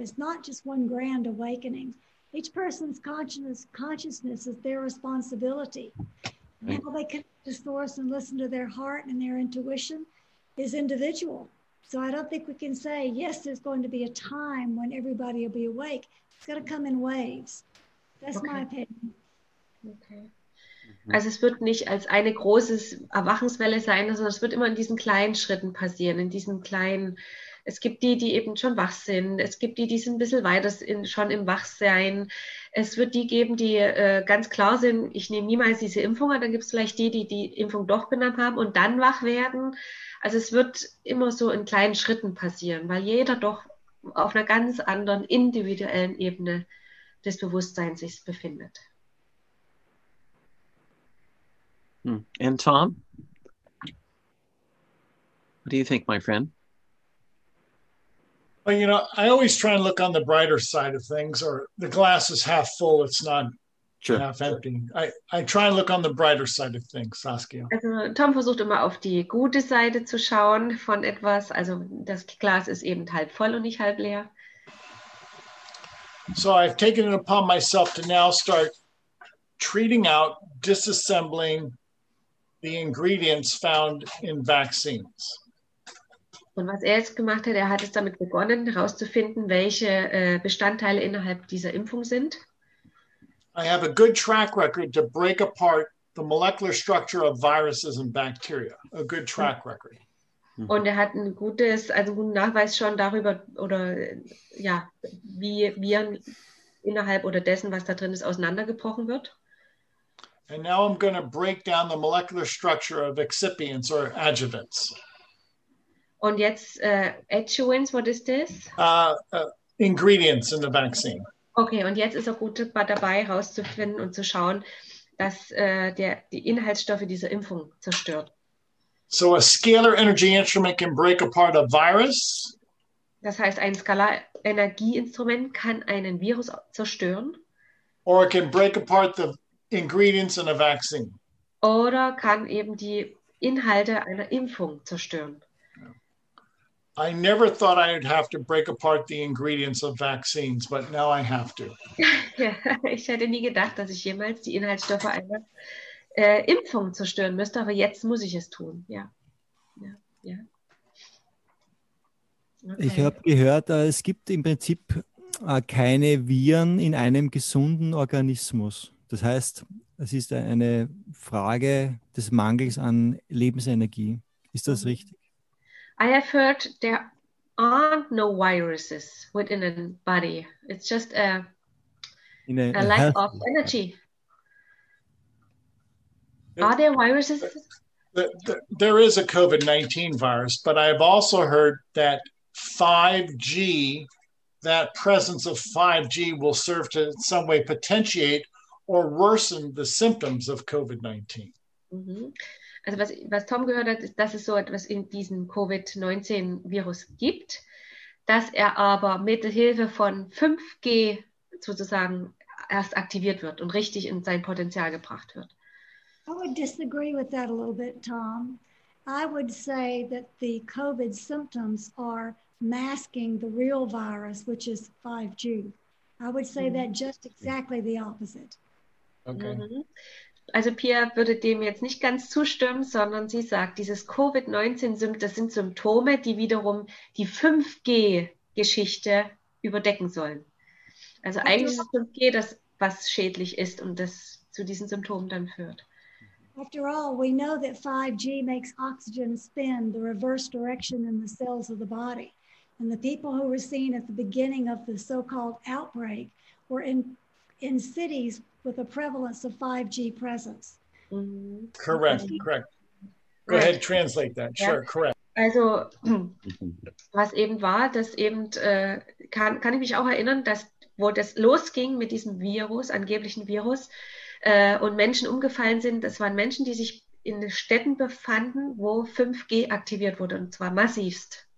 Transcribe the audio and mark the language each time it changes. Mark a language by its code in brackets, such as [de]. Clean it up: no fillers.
[en] It's not just one grand awakening. Each person's consciousness is their responsibility. How they connect to source and listen to their heart and their intuition is individual. So I don't think we can say, yes, there's going to be a time when everybody will be awake. It's going to come in waves. That's my opinion. Okay. [de] Also es wird nicht als eine große Erwachungswelle sein, sondern es wird immer in diesen kleinen Schritten passieren, in diesen kleinen. Es gibt die, die eben schon wach sind. Es gibt die, die sind ein bisschen weiter schon im Wachsein. Es wird die geben, die ganz klar sind, ich nehme niemals diese Impfung. Dann gibt es vielleicht die, die die Impfung doch genommen haben und dann wach werden. Also es wird immer so in kleinen Schritten passieren, weil jeder doch auf einer ganz anderen individuellen Ebene des Bewusstseins sich befindet. [en] And Tom? What do you think, my friend? Well, you know, I always try and look on the brighter side of things, or the glass is half full, it's not half empty. I try and look on the brighter side of things, Saskia. [de] Also, Tom versucht immer auf die gute Seite zu schauen von etwas. Also das Glas ist eben halb voll und nicht halb leer. [en] So I've taken it upon myself to now start treating out, disassembling the ingredients found in vaccines. [de] Und was er jetzt gemacht hat, er hat es damit begonnen, herauszufinden, welche Bestandteile innerhalb dieser Impfung sind. [en] I have a good track record to break apart the molecular structure of viruses and bacteria. A good track record. [de] Und er hat einen guten Nachweis schon darüber, oder ja, wie Viren innerhalb oder dessen, was da drin ist, auseinandergebrochen wird. [en] And now I'm going to break down the molecular structure of excipients or adjuvants. [de] Und jetzt [en] adjuvants, what is this? Ingredients in the vaccine. [de] Okay, und jetzt ist er gut dabei, herauszufinden und zu schauen, dass die Inhaltsstoffe dieser Impfung zerstört. [en] So a scalar energy instrument can break apart a virus. [de] Das heißt, ein Skalarenergieinstrument kann einen Virus zerstören. [en] Or it can break apart the ingredients in a vaccine. [de] Oder kann eben die Inhalte einer Impfung zerstören. [en] I never thought I'd have to break apart the ingredients of vaccines, but now I have to. [de] Ich hätte nie gedacht, dass ich jemals die Inhaltsstoffe einer Impfung zerstören müsste, aber jetzt muss ich es tun. Ja. Ja. Ja. Okay. Ich habe gehört, es gibt im Prinzip keine Viren in einem gesunden Organismus. Das heißt, es ist eine Frage des Mangels an Lebensenergie. Ist das richtig? [en] I have heard there aren't no viruses within a body. It's just a lack of energy. Are there viruses? There is a COVID-19 virus, but I have also heard that 5G, that presence of 5G will serve to in some way potentiate or worsen the symptoms of COVID-19. Mm-hmm. [de] Also was Tom gehört hat, ist, dass es so etwas in diesem COVID-19-Virus gibt, dass er aber mit Hilfe von 5G sozusagen erst aktiviert wird und richtig in sein Potenzial gebracht wird. [en] I would disagree with that a little bit, Tom. I would say that the COVID symptoms are masking the real virus, which is 5G. I would say that just exactly the opposite. Okay. Mm-hmm. [de] Also Pia würde dem jetzt nicht ganz zustimmen, sondern sie sagt, dieses COVID-19-Symptom, das sind Symptome, die wiederum die 5G-Geschichte überdecken sollen. Also eigentlich ist 5G das, was schädlich ist und das zu diesen Symptomen dann führt. [en] After all, we know that 5G makes oxygen spin the reverse direction in the cells of the body. And the people who were seen at the beginning of the so-called outbreak were in cities with a prevalence of 5G presence. Mm-hmm. Correct, correct. Go ahead, translate that. Yeah. Sure, correct. [de] Also, was eben war, dass eben, kann ich mich auch erinnern, dass wo das losging mit diesem Virus, angeblichen Virus, und Menschen umgefallen sind, das waren Menschen, die sich in Städten befanden, wo 5G aktiviert wurde, und zwar massivst.